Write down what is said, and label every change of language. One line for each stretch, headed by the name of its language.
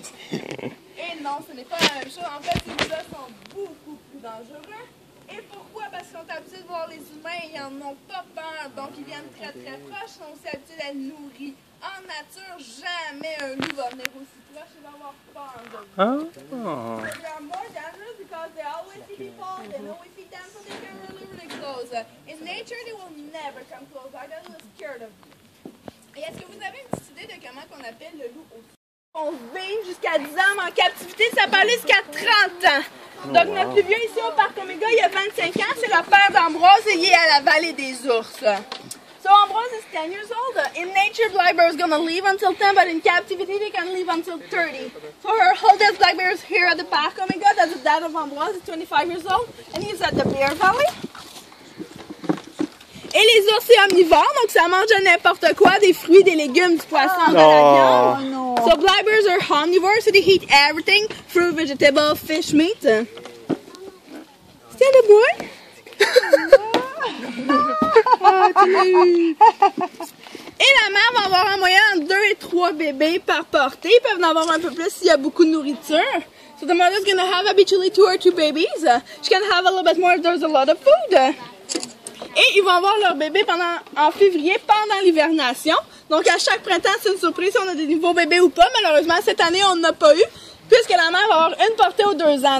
French: Et non, ce n'est pas la même chose. En fait, ces humains sont beaucoup plus dangereux. Et pourquoi? Parce qu'on est habitué de voir les humains, ils n'en ont pas peur. Donc, ils viennent très très proches. On s'est habitué d'être nourris. En nature, jamais un loup va venir aussi proche. Il va avoir peur.
English: They are more dangerous because they always see people. They always see them, so they can really, really close. In nature, they will never come close. I don't look scared of you.
French: Et est-ce que vous avez une petite idée de comment on appelle le loup aussi? On vit jusqu'à 10 ans, mais en captivité, ça peut aller jusqu'à 30 ans. Donc, notre plus vieux ici au Parc Omega, il y a 25 ans, c'est le père d'Ambrose et il est à la vallée des ours.
English: So, Ambrose is 10 years old. In nature, black bear is going to live until 10, but in captivity, they can live until 30. So, her oldest black bear is here at the Parc Omega. That's the dad of Ambrose, he's 25 years old, and he's at the Bear Valley.
French: Et les ours, c'est omnivore, donc ça mange n'importe quoi, des fruits, des légumes, du poisson, de la viande.
English: Oh, no. So black bears are omnivores, so they eat everything, fruit, vegetables, fish, meat.
French: C'est le boy? Et la mère va avoir en moyenne 2 et 3 bébés par portée. Ils peuvent en avoir un peu plus s'il y a beaucoup de nourriture.
English: So the mother's gonna have habitually 2 or 2 babies. She can have a little bit more if there's a lot of food.
French: Et ils vont avoir leur bébé pendant, en février pendant l'hivernation. Donc à chaque printemps, c'est une surprise si on a des nouveaux bébés ou pas. Malheureusement, cette année, on n'a pas eu, puisque la mère va avoir une portée aux 2 ans.